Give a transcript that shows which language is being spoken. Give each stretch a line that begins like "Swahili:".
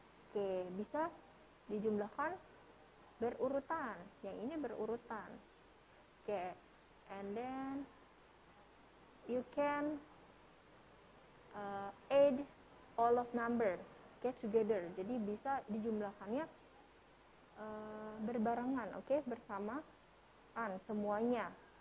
Indonesian: Oke, bisa dijumlahkan berurutan. Yang ini berurutan.
English: Oke, and then you can add all of number okay, together.
Indonesian: Jadi bisa dijumlahkannya berbarengan, oke, okay, bersamaan semuanya.